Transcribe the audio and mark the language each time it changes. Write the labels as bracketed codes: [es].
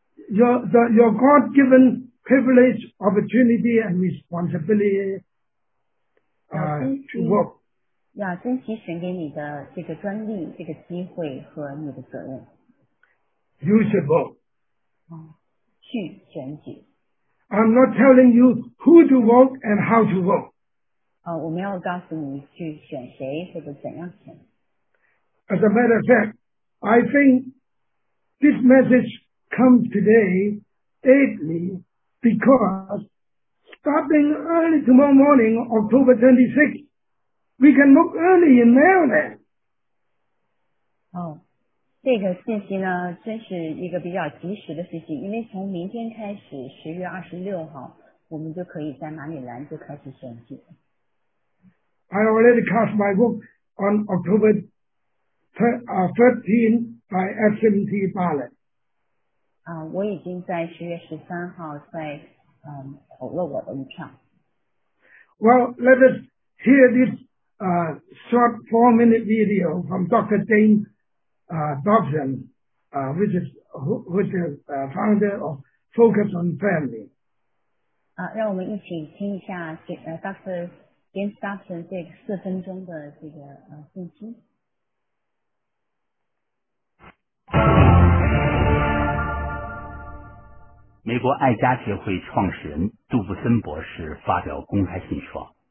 [en] Your God-given privilege, opportunity, and responsibility, to work. [zh] 要珍惜神给你的这个专利、这个机会和你的责任。 [en] Use the vote. [zh] 去选举。 [en] I'm not telling you who to vote and how to vote. [zh] 我没有告诉你去选谁或者怎样选。 [en] As a matter of fact, I think this message. Come today, early, because starting early tomorrow morning, October 26th, we can book early in Maryland. [zh] 这个信息呢，真是一个比较及时的信息，因为从明天开始，10月26号，我们就可以在马里兰就开始选举。 [en] I already cast my vote on October 13th by absentee ballot. [zh] 我已经在10月13号在投了我的一票。 [en] Well, let us hear this short 4-minute video from Dr. Dane Dobson, who is the founder of Focus on Family. [zh] 让我们一起听一下Dr. Dane Dobson 这个四分钟的这个信息。美国爱家协会创始人杜布森博士发表公开信说，